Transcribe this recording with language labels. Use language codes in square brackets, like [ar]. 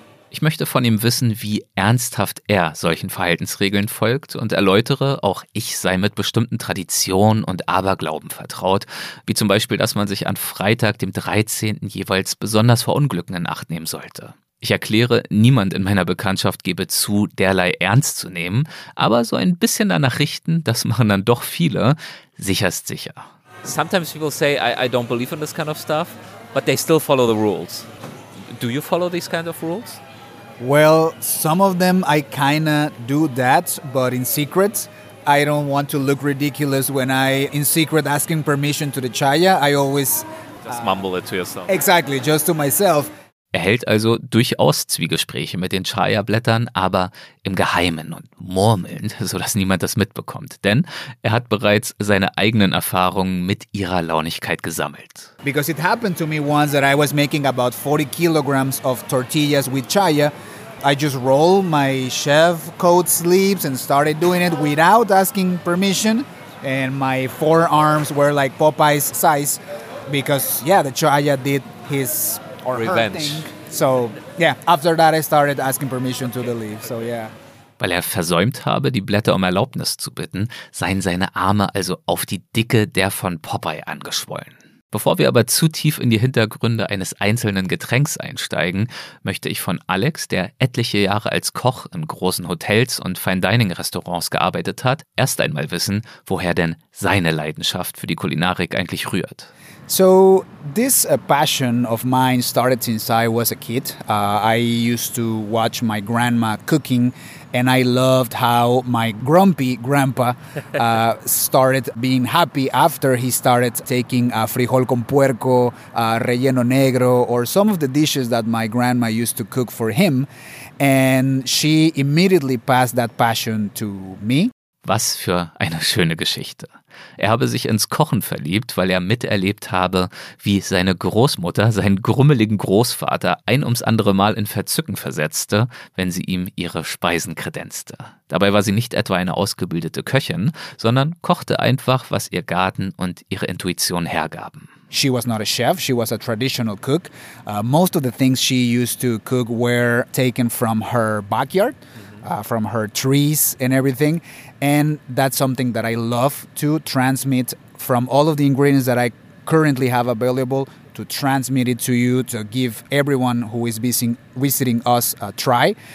[de] Ich möchte von ihm wissen, wie ernsthaft er solchen Verhaltensregeln folgt und erläutere, auch ich sei mit bestimmten Traditionen und Aberglauben vertraut, wie zum Beispiel, dass man sich an Freitag, dem 13. jeweils besonders vor Unglücken in Acht nehmen sollte. Ich erkläre, niemand in meiner Bekanntschaft gebe zu, derlei ernst zu nehmen, aber so ein bisschen danach richten, das machen dann doch viele, sicher ist sicher. [en] Sometimes people say, I don't believe in this kind of stuff, but they still follow the rules. Do you follow these kind of rules? Well, some of them I kind of do that, but in secret. I don't want to look ridiculous when I, in secret, asking permission to the chaya. I always... Just mumble it to yourself. Exactly, just to myself. [de] Er hält also durchaus Zwiegespräche mit den Chaya-Blättern, aber im Geheimen und murmelnd, sodass niemand das mitbekommt. Denn er hat bereits seine eigenen Erfahrungen mit ihrer Launigkeit gesammelt. [en] Because it happened to me once that I was making about 40 kilograms of tortillas with chaya. I just rolled my chef coat sleeves and started doing it without asking permission. And my forearms were like Popeye's size because, yeah, the chaya did his... Or revenge. Hurting. So, yeah, after that I started asking permission to the leaf. So, yeah. [de] Weil er versäumt habe, die Blätter um Erlaubnis zu bitten, seien seine Arme also auf die Dicke der von Popeye angeschwollen. Bevor wir aber zu tief in die Hintergründe eines einzelnen Getränks einsteigen, möchte ich von Alex, der etliche Jahre als Koch in großen Hotels und Fine-Dining-Restaurants gearbeitet hat, erst einmal wissen, woher denn seine Leidenschaft für die Kulinarik eigentlich rührt. [en] So this passion of mine started since I was a kid. I used to watch my grandma cooking and I loved how my grumpy grandpa started being happy after he started taking frijol con puerco, relleno negro, or some of the dishes that my grandma used to cook for him. And she immediately passed that passion to me. [de] Was für eine schöne Geschichte. Er habe sich ins Kochen verliebt, weil er miterlebt habe, wie seine Großmutter seinen grummeligen Großvater ein ums andere Mal in Verzücken versetzte, wenn sie ihm ihre Speisen kredenzte. Dabei war sie nicht etwa eine ausgebildete Köchin, sondern kochte einfach, was ihr Garten und ihre Intuition hergaben. [en] She was not a chef, she was a traditional cook. Most of the things she used to cook were taken from her backyard. From her trees and everything. And that's something that I love to transmit from all of the ingredients that I currently have available to transmit it to you, to give everyone who is visiting us a try.